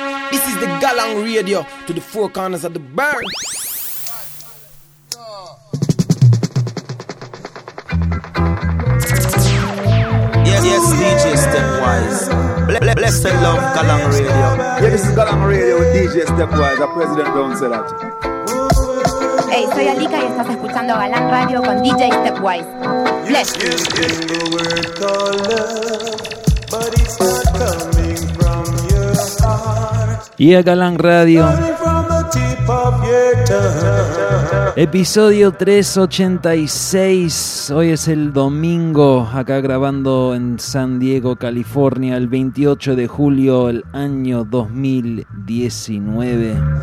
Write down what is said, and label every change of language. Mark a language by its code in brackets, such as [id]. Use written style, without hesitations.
[en] This is the Galang Radio to the four corners of the bird. Yes, DJ Stepwise. Bless the love, Galang Radio. Yeah, this is Galang Radio with DJ Stepwise. The president don't say that. [es] Hey, soy Alika y estás escuchando Galang Radio con DJ Stepwise. [en] Bless. Yes, yes, yes. The word called love, but it's not coming from your heart. Yeah, Galang Radio. Coming from the tip of your tongue. [es] Episodio 386, hoy es el domingo, acá grabando en San Diego, California, el 28 de julio, el año 2019.